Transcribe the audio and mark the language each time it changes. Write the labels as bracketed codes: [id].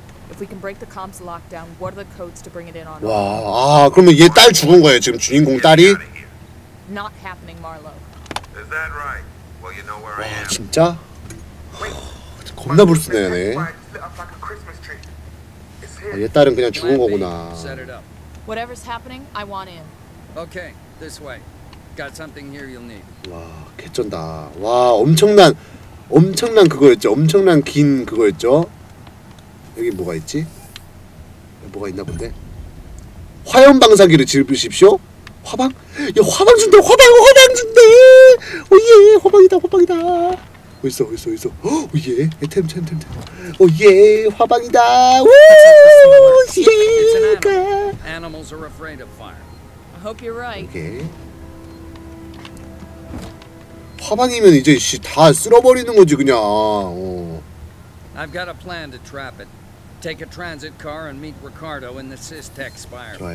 [en] If we can break the comms lockdown, what are the codes to bring it in on? [ko] 와, 아, 그러면 얘 딸 죽은 거예요, 지금 주인공 딸이? [en] Not happening, Marlo. Is that right? Well, you know where I am. [ko] 와, 진짜? 겁나 불순해, 얘. 아, 얘 딸은 그냥 죽은 거구나. [en] Whatever's happening, I want in. Okay, this way. Got something here you'll need. [ko] 와, 개쩐다. 와, 엄청난 그거였죠. 엄청난 긴 그거였죠. 여기 뭐가 있지? 뭐가 있나 본데. 화염 방사기를 집으십시오. 화방? 야, 화방 준다. 화방 준대. 오예, 화방이다. 어디 있어? 오 예, 템. 오 예, 화방이다. 우, 시가. [en] Animals are afraid of fire. I hope you're right. [ko] 화방이면 이제 씨 다 쓸어버리는 거지 그냥. 어. [en] I've got a plan to trap it. Take a transit car and meet Ricardo in the Systech Spire.